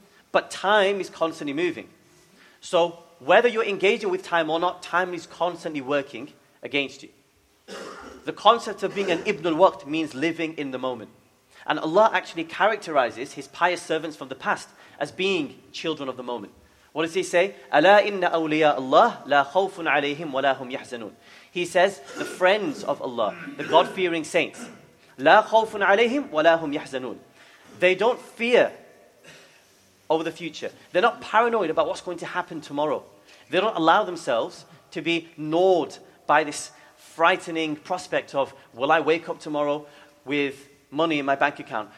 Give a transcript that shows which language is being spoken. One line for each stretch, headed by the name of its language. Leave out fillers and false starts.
English: But time is constantly moving. So whether you're engaging with time or not, time is constantly working against you. The concept of being an Ibn al-Waqt means living in the moment. And Allah actually characterizes his pious servants from the past as being children of the moment. What does he say?
Arabic: أَلَا إِنَّ أَوْلِيَاءَ اللَّهِ لَا خَوْفٌ عَلَيْهِمْ وَلَا هُمْ يَحْزَنُونَ
English: He says, the friends of Allah, the God-fearing saints.
Arabic: لَا خَوْفٌ عَلَيْهِمْ وَلَا هُمْ يَحْزَنُونَ
English: They don't fear over the future. They're not paranoid about what's going to happen tomorrow. They don't allow themselves to be gnawed by this frightening prospect of, will I wake up tomorrow with money in my bank account?